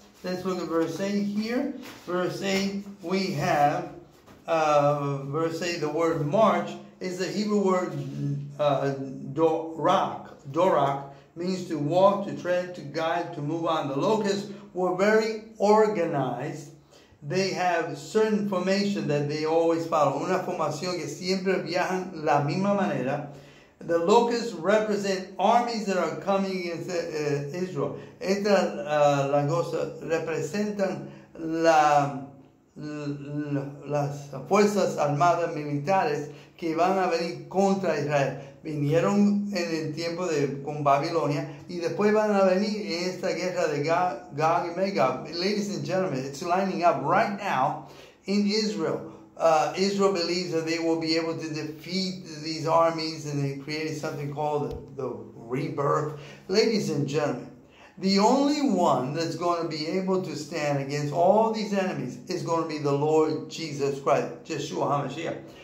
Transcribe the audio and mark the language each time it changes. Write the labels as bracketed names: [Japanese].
[English] Let's look at verse 8 here. Verse 8, we have the word march is the Hebrew word dorak. Dorak means to walk, to tread, to guide, to move on. The locusts were very organized. They have certain formation that they always follow. [Spanish] Una formación que siempre viajan la misma manera. [English] The locusts represent armies that are coming against Israel. [Spanish] Estas langostas representan las fuerzas armadas militares que van a venir contra Israel. Vinieron en el tiempo con Babilonia y después van a venir en esta guerra de Gog y Magog. [English] Ladies and gentlemen, it's lining up right now in Israel. Israel believes that they will be able to defeat these armies, and they created something called the rebirth. Ladies and gentlemen, the only one that's going to be able to stand against all these enemies is going to be the Lord Jesus Christ, Yeshua HaMashiach.